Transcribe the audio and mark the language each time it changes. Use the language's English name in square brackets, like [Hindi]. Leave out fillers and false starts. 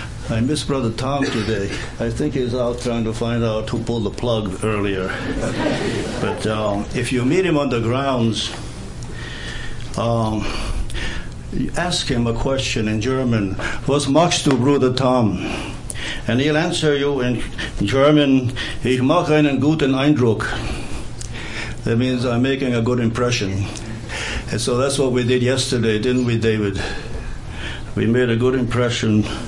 [English] I miss Brother Tom today. I think he's out trying to find out who pulled the plug earlier. But if you meet him on the grounds, ask him a question in German. [German] Was machst du, Bruder Tom? [English] And he'll answer you in German, [German] ich mache einen guten Eindruck. [English] That means I'm making a good impression. And so that's what we did yesterday, didn't we, David? We made a good impression.